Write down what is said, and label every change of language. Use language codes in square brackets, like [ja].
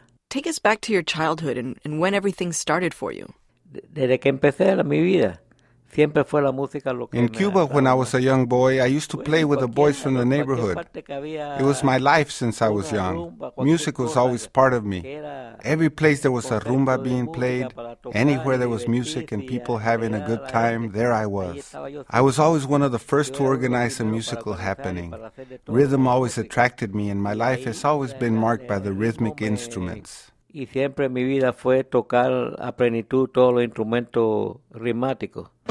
[en] Take us back to your childhood and when everything started for you. [es] Desde que empecé mi vida. [en] In Cuba, when I was a young boy, I used to play with the boys from the neighborhood. It was my life since I was young. Music was always part of me. Every place there was a rumba being played, anywhere there was music and people having a good time, there I was. I was always one of the first to organize a musical happening. Rhythm always attracted me, and my life has always been marked by the rhythmic instruments. [es] Y siempre mi vida fue tocar a plenitud todos los instrumentos rítmicos.